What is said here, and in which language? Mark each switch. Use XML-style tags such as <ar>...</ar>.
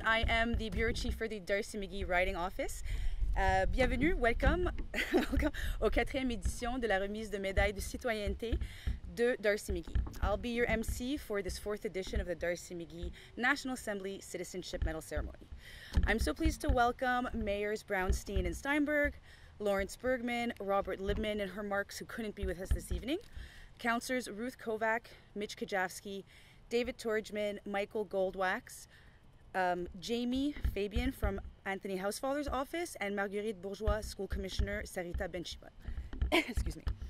<en>I am the bureau chief for the D'Arcy-McGee writing office.</en> <fr>Bienvenue, welcome, au quatrième édition de la remise de médailles de citoyenneté de D'Arcy-McGee.</fr> <en>I'll be your MC for this fourth edition of the D'Arcy-McGee National Assembly Citizenship Medal Ceremony. I'm so pleased to welcome Mayors Brownstein and Steinberg, Lawrence Bergman, Robert Libman and her marks who couldn't be with us this evening, Councillors Ruth Kovac, Mitch Kajavsky, David Torjman, Michael Goldwax, Jamie Fabian from Anthony Housefather's office, and Marguerite Bourgeois, School Commissioner Sarita Benchimon. Excuse me.</en>